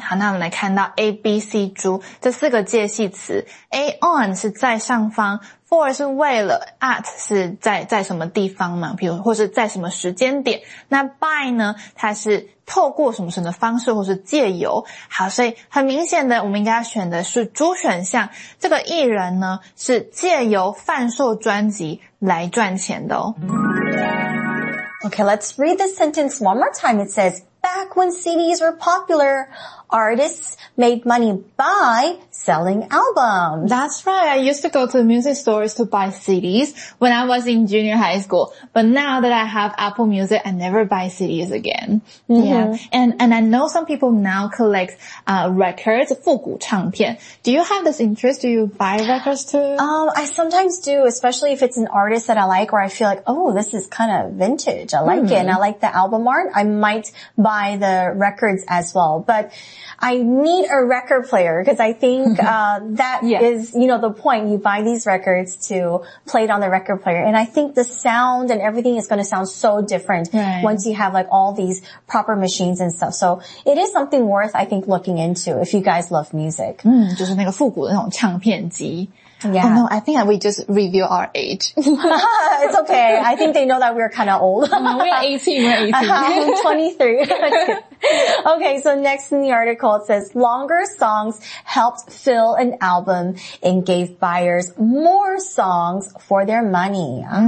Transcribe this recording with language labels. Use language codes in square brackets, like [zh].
[zh] 好，那我们来看到 ABC 猪这四个介系词， A on 是在上方， for 是为了， at 是在什么地方嘛，比如或是在什么时间点，那 by 呢，它是透过什么什么的方式或是借由。好，所以很明显的我们应该选的是猪选项，这个艺人呢是借由贩售专辑来赚钱的哦。 [en] Okay, let's read this sentence one more time. It says, back when CDs were popular, artists made money by selling albums. That's right. I used to go to music stores to buy CDs when I was in junior high school. But now that I have Apple Music, I never buy CDs again. Yeah. And I know some people now collect records, 复古唱片. Do you have this interest? Do you buy records too? I sometimes do, especially if it's an artist that I like or I feel like, oh, this is kind of vintage. I like it and I like the album art. I might buy the records as well. But I need a record player because I think that is, you know, the point. You buy these records to play it on the record player. And I think the sound and everything is going to sound so different once you have like all these proper machines and stuff. So it is something worth, I think, looking into if you guys love music. [zh] 就是那个复古的那种唱片机。 [en] Yeah. Oh, no, I think we just reveal our age. It's okay. I think they know that we're kind of old. We're 18. I'm 23. Okay, so next in the article, it says, longer songs helped fill an album and gave buyers more songs for their money.